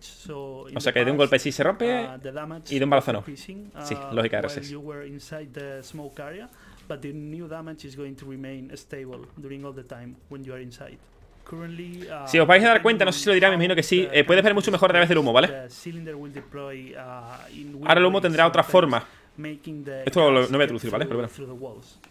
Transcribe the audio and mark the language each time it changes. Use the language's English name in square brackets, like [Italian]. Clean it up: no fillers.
[Spanish] O sea que de un golpe sí se rompe y de un balazo no. Sí, lógica de RSS. [English] But the new damage is going to remain stable during all the time when you are inside. [Spanish] Si os vais a dar cuenta, no sé si lo dirá, me imagino que sí, puedes ver mucho mejor a través del humo, ¿vale? Ahora el humo tendrá otra forma. Esto no voy a traducir, ¿vale? Pero bueno.